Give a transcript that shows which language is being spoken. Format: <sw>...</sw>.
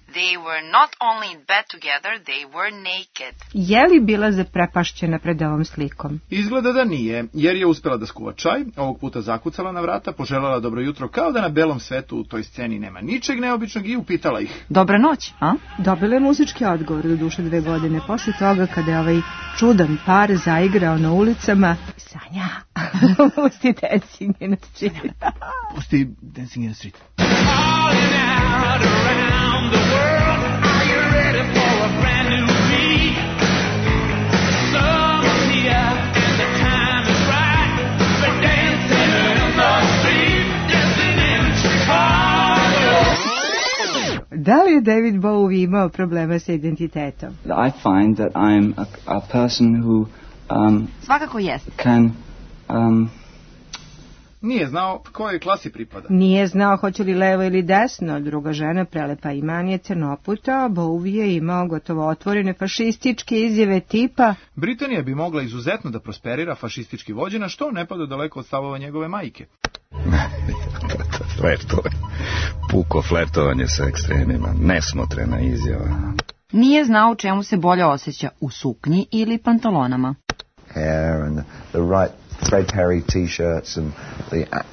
<en>They were not only in bed together, they were naked.</en> <sr>Je li bila zaprepašćena pred ovom slikom? Izgleda da nije, jer je uspela da skuva čaj, ovog puta zakucala na vrata, poželala dobro jutro kao da na belom svetu u toj sceni nema ničeg neobičnog i upitala ih. Dobra noć, a? Dobila je muzički odgovor do duše dve godine posle toga kada je ovaj čudan par zaigrao na ulicama. Sanja! Pusti Dancing in the Street. Pusti</sr> <en>Dancing in the Street. Falling out around the world. Are you ready for a brand new beat? Summer's here and the time is right. For dancing in the street. Dancing in Chicago.</en> <sr>Da li je David Bowie imao problema sa identitetom?</sr> <en>I find that I'm a person who</en> <sr>svakako jeste.</sr> <en>Can,</en> <sr>nije znao kojoj klasi pripada. Nije znao hoće li levo ili desno. Druga žena, prelepa i manje crnoputa, Bowie je imao gotovo otvorene fašističke izjave tipa: Britanija bi mogla izuzetno da prosperira fašistički vođena, što ne pada daleko od stavova njegove majke. Flertovanje. Puko flertovanje sa ekstremima. Nesmotrena izjava. Nije znao čemu se bolje osjeća, u suknji ili pantalonama.</sr> <en>Hair and the right thread hairy t-shirts and the...</en>